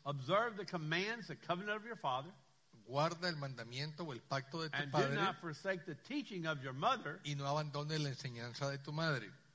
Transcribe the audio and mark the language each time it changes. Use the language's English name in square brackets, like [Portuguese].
[English] Observe the commands, the covenant of your father. [Spanish] Guarda el mandamiento o el pacto de tu [English] and [Spanish] padre. [English] And do not forsake the teaching of your mother. [Spanish] Y no abandones la enseñanza de tu madre.